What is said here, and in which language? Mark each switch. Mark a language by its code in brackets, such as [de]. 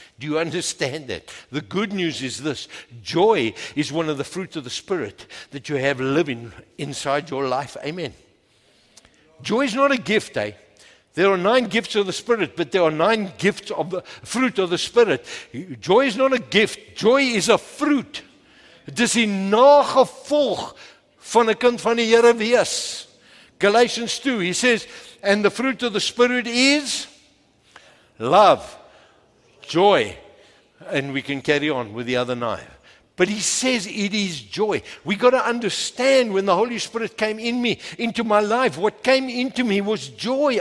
[en] Do you understand that? The good news is this. Joy is one of the fruits of the Spirit that you have living inside your life. Amen. Joy is not a gift, eh? There are nine gifts of the Spirit, but there are nine gifts of the fruit of the Spirit. Joy is not a gift. Joy is a fruit. [af] Dit is die nagevolg van 'n kind van die Here wees. [en] Galatians 2, he says, and the fruit of the Spirit is love, joy, and we can carry on with the other nine. But he says it is joy. We got to understand when the Holy Spirit came in me, into my life, what came into me was joy.